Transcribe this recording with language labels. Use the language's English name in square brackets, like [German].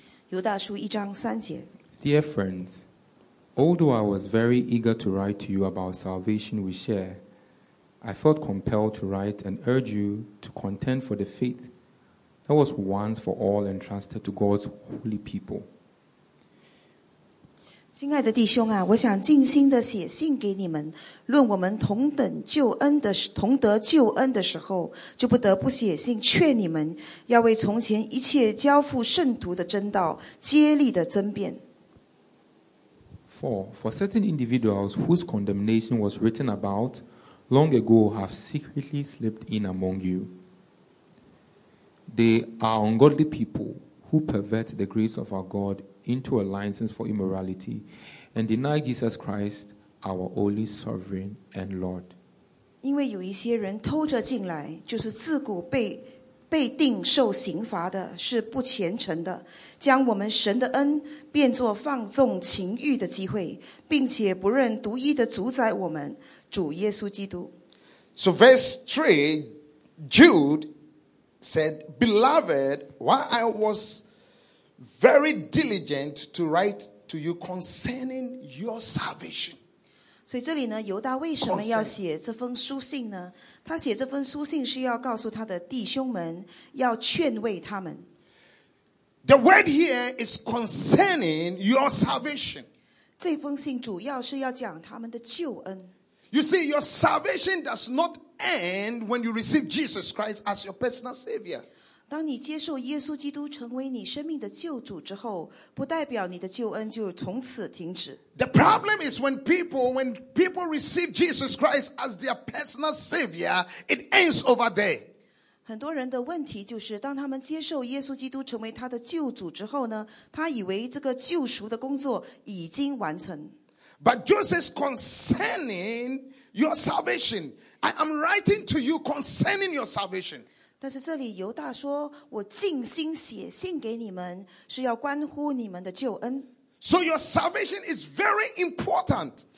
[Chinese] 犹大书一章三节。 [English] Dear friends, although I was very eager to write to you about salvation we share,I felt compelled to write and urge you to contend for the faith that was once for all entrusted to God's holy people. [Chinese] 亲爱的弟兄啊，我想尽心的写信给你们，论我们同等救恩的同得救恩的时候，就不得不写信劝你们，要为从前一切交付圣徒的真道竭力的争辩。 [English] For certain individuals whose condemnation was written about. Long ago have secretly slipped in among you. They are ungodly people who pervert the grace of our God into a license for immorality and deny Jesus Christ, our only sovereign and Lord. [Chinese] 因为有一些人偷着进来，就是自古被定受刑罚的，是不虔诚的，将我们神的恩变作放纵情欲的机会，并且不认独一的主宰我们。主耶稣基督。 [English] So verse 3, Jude said, Beloved, while I was very diligent to write to you concerning your salvation. [Chinese] 所以这里呢，犹大为什么要写这封书信呢？他写这封书信是要告诉他的弟兄们，要劝慰他们。 [English] The word here is concerning your salvation. [Chinese] 这封信主要是要讲他们的救恩。 [English] You see, your salvation does not end when you receive Jesus Christ as your personal savior. [Chinese] 当你接受耶稣基督成为你生命的救主之后，不代表你的救恩就从此停止。 [English] The problem is when people receive Jesus Christ as their personal savior, it ends over there. [Chinese] 很多人的问题就是，当他们接受耶稣基督成为他的救主之后呢，他以为这个救赎的工作已经完成。 [English] But Joseph is concerning your salvation. I am writing to you concerning your salvation. [Chinese] 但是这里犹大说，我尽心写信给你们，是要关乎你们的救恩。 [English] So your salvation is very important.